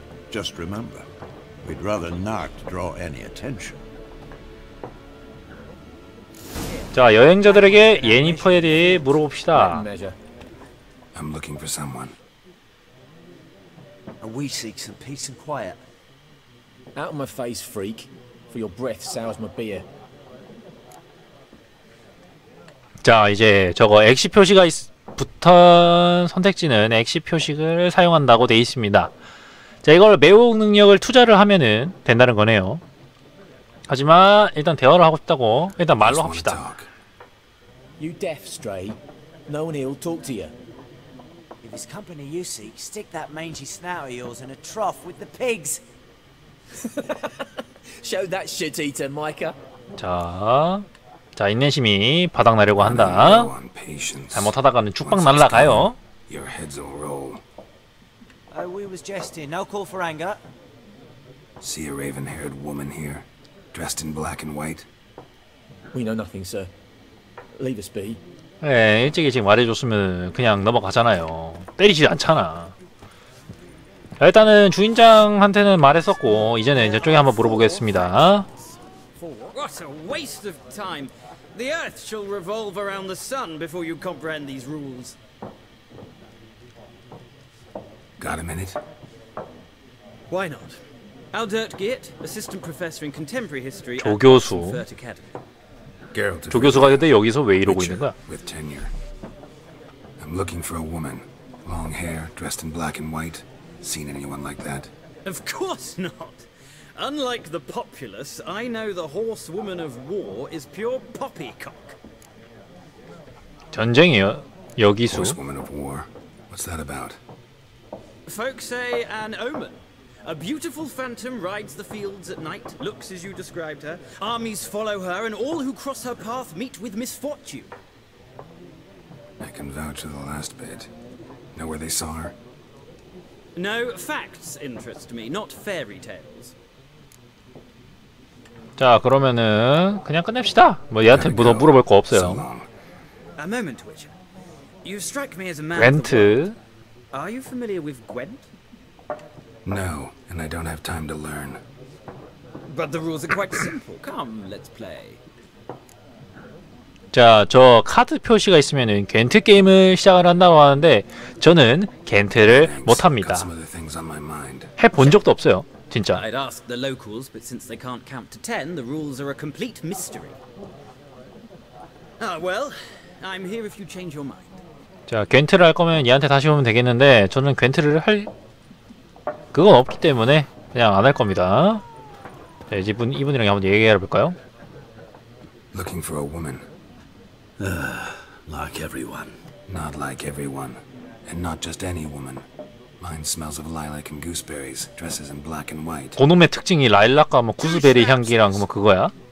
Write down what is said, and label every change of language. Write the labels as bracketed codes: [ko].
[en] Just remember, we'd rather not draw any attention. [ko] 자, 여행자들에게 예니퍼에 대해 물어봅시다. [en] I'm looking for someone. We seek some peace and quiet. Out of my face, freak. For your breath sours my beer. [ko] 자, 이제 저거 엑시 표시가 붙은 선택지는 엑시 표식을 사용한다고 돼 있습니다. 자, 이걸 매혹 능력을 투자를 하면은 된다는 거네요. 하지만 일단 대화를 하고 싶다고 일단 말로 합시다. [en] You deaf stray. No one here will talk to you. If it's company you seek, stick that mangy snout of yours in a trough with the pigs. Show that shit eater, Micah. [ko] 자, 자 인내심이 바닥나려고 한다. 잘못하다가는 쭉박 날라가요. [en] Your heads will roll. We was jesting. No call for anger. See a raven-haired woman here, dressed in black and white. We know nothing, sir. Leave us be. [ko] 네, 일찍이 지금 말해줬으면 그냥 넘어가잖아요. 때리지 않잖아. 일단은 주인장한테는 말했었고 이제는 저쪽에 한번 물어보겠습니다. [en] What a waste of time. The earth shall revolve around the sun before you comprehend these rules. Got a minute? Why not? Aldert Geert, assistant professor in contemporary history. [ko] 조교수. 조교수가 근데 여기서 왜 이러고 있는 거야? [en] With tenure. I'm looking for a woman, long hair, dressed in black and white. Seen anyone like that? Of course not. Unlike the populace, I know the horsewoman of war is pure poppycock. [ko] 전쟁이요, 여기서. [en] Horsewoman of war. What's that about? Folks say an omen. A beautiful phantom rides the fields at night, looks as you described her. Armies follow her, and all who cross her path meet with misfortune. I can vouch for the last bit. Know where they saw her? No, facts interest me, not fairy tales. [ko] 자, 그러면은 그냥 끝냅시다. 뭐 얘한테 뭐 더 물어볼 거 없어요. [en] A moment, Witcher. You strike me as a man. Gwent. Are you familiar with Gwent? No, and I don't have time to learn. But the rules are quite simple. Come, let's play. [ko] 자, 저 카드 표시가 있으면은 겐트 게임을 시작을 한다고 하는데 저는 겐트를 못합니다. 해본 적도 없어요. 진짜. [en] I'd ask the locals, but since they can't count to 10, the rules are a complete mystery. Ah, well, I'm here if you change your mind. [ko] 자, 겐트를 할 거면 얘한테 다시 오면 되겠는데 저는 겐트를 할 그건 없기 때문에 그냥 안 할 겁니다. 자, 이제 이분이랑 한번 얘기해 볼까요? [en] Looking for a woman. Like everyone. Not like everyone. And not just any woman. Mine smells of lilac and gooseberries, dresses in black and white. [ko] 고놈의 특징이 라일락과 뭐 구스베리 향기랑 뭐 그거야?